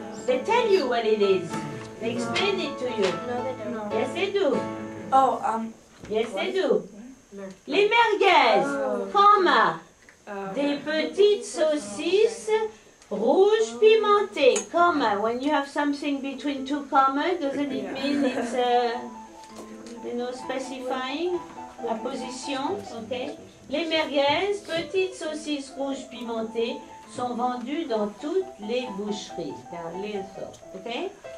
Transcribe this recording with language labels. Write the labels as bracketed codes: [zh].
[en] They tell you what it is. They explain it to you. No, they don't. Yes, they do. Oh, Yes, they do. [fr] Les merguez, comma, des petites saucisses rouges pimentées, comma. [en] When you have something between two commas, doesn't it mean it's, you know, specifying a position, okay? [fr] Les merguez, petites saucisses rouges pimentées, sont vendues dans toutes les boucheries, dans les sortes, okay?